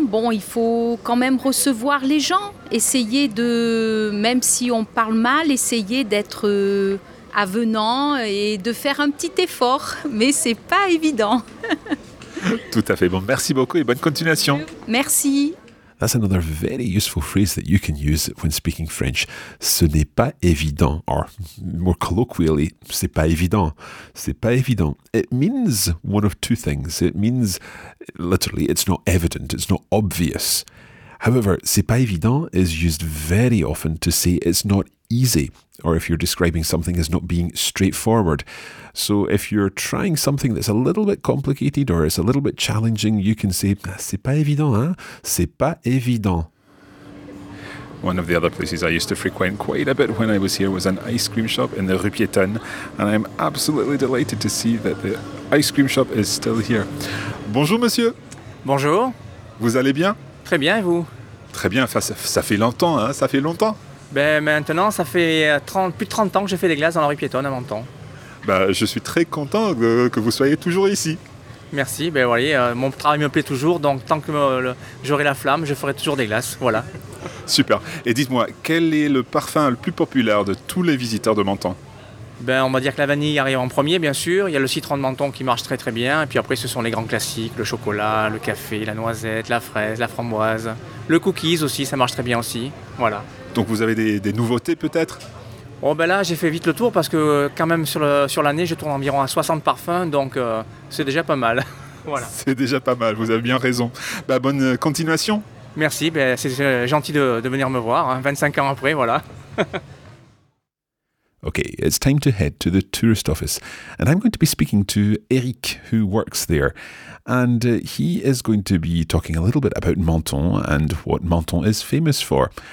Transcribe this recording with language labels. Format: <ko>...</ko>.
<fr>Bon, il faut quand même recevoir les gens. Essayer de, même si on parle mal, essayer d'être avenant et de faire un petit effort. Mais ce n'est pas évident. Tout à fait. Bon, merci beaucoup et bonne continuation. Merci.</fr> <en>That's another very useful phrase that you can use when speaking French.</en> <fr>Ce n'est pas évident,</fr> <en>or more colloquially,</en> <fr>c'est pas évident. C'est pas évident.</fr> <en>It means one of two things. It means, literally, it's not evident, it's not obvious. However,</en> <fr>c'est pas évident</fr> <en>is used very often to say it's not easy, or if you're describing something as not being straightforward. So if you're trying something that's a little bit complicated or it's a little bit challenging, you can say,</en> <fr>c'est pas évident, hein? C'est pas évident.</fr> <en>One of the other places I used to frequent quite a bit when I was here was an ice cream shop in the Rue Piétonne, and I'm absolutely delighted to see that the ice cream shop is still here.</en> <fr>Bonjour, monsieur. Bonjour. Vous allez bien? Très bien, et vous? Très bien, ça fait longtemps, hein? Ça fait longtemps. Ben maintenant, ça fait plus de 30 ans que j'ai fait des glaces dans la rue Piétonne à Menton. Ben, je suis très content que vous soyez toujours ici. Merci, ben voilà, mon travail me plaît toujours, donc tant que j'aurai la flamme, je ferai toujours des glaces, voilà. Super, et dites-moi, quel est le parfum le plus populaire de tous les visiteurs de Menton? Ben on va dire que la vanille arrive en premier, bien sûr, il y a le citron de Menton qui marche très très bien, et puis après ce sont les grands classiques, le chocolat, le café, la noisette, la fraise, la framboise, le cookies aussi, ça marche très bien aussi, voilà. Donc vous avez des nouveautés peut-être? Oh ben là j'ai fait vite le tour parce que quand même sur l'année je tourne environ à 60 parfums, donc c'est déjà pas mal. Voilà. C'est déjà pas mal, vous avez bien raison. Ben, bonne continuation. Merci, ben, c'est gentil de venir me voir, hein, 25 ans après, voilà.</fr> <en>Okay, it's time to head to the tourist office, and I'm going to be speaking to Eric, who works there, and he is going to be talking a little bit about Menton and what Menton is famous for.</en>